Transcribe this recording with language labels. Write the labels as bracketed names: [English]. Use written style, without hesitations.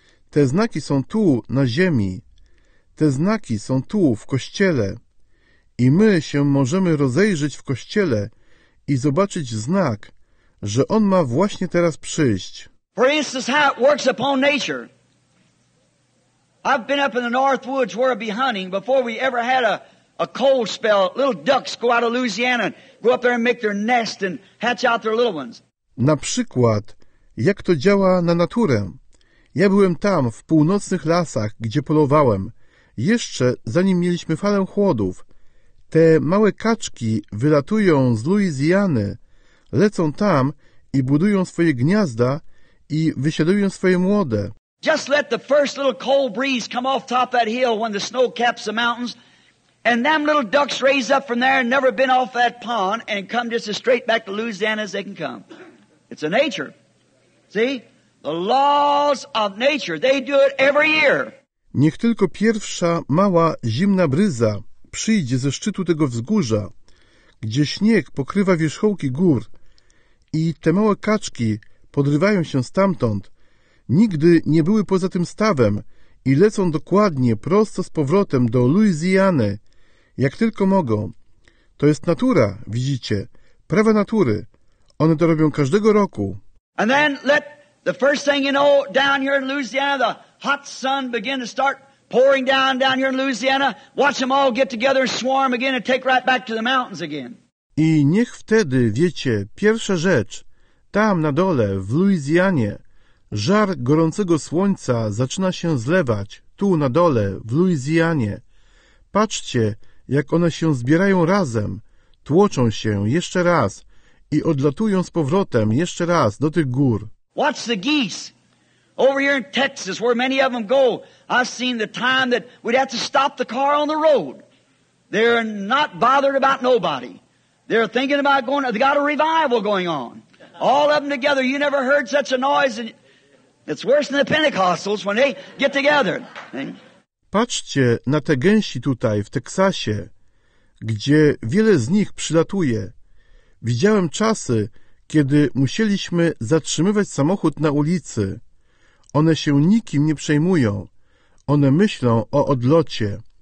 [Polish] Te znaki są tu na ziemi. Te znaki są tu w kościele. I my się możemy rozejrzeć w kościele i zobaczyć znak, że on ma właśnie teraz przyjść. [English] For instance, how it works upon nature. I've been up in the north woods where I'd be hunting before we ever had a cold spell. Little ducks go out of Louisiana and go up there and make their nest and hatch out their little ones. [Polish] Na przykład, jak to działa na naturę. Ja byłem tam w północnych lasach, gdzie polowałem. Jeszcze zanim mieliśmy falę chłodów. Te małe kaczki wylatują z Louisiany, lecą tam i budują swoje gniazda i wysiadują swoje młode. [English] Just let the first little cold breeze come off top that hill when the snow caps the mountains, and them little ducks raise up from there and never been off that pond and come just as straight back to Louisiana as they can come. It's a nature. See? The laws of nature. They do it every year. [Polish] Niech tylko pierwsza mała zimna bryza przyjdzie ze szczytu tego wzgórza, gdzie śnieg pokrywa wierzchołki gór i te małe kaczki podrywają się stamtąd, nigdy nie były poza tym stawem i lecą dokładnie prosto z powrotem do Luizjany, jak tylko mogą. To jest natura, widzicie, prawa natury. One to robią każdego roku. [English] And then let the first thing you know down here in Louisiana, the hot sun begin to start pouring down here in Louisiana. Watch them all get together and swarm again and take right back to the mountains again. [Polish] I niech wtedy, wiecie, pierwsza rzecz, tam na dole, w Luizjanie, żar gorącego słońca zaczyna się zlewać, tu na dole, w Luizjanie. Patrzcie, jak one się zbierają razem, tłoczą się jeszcze raz i odlatują z powrotem jeszcze raz do tych gór. [English] Watch the geese. Over here in Texas, where many of them go, I've seen the time that we'd have to stop the car on the road. They're not bothered about nobody. They're thinking about going, they got a revival going on. All of them together, you never heard such a noise. It's worse than the Pentecostals when they get together. [Polish] Patrzcie na te gęsi tutaj, w Teksasie, gdzie wiele z nich przylatuje. Widziałem czasy, kiedy musieliśmy zatrzymywać samochód na ulicy. One się nikim nie przejmują. One myślą o odlocie.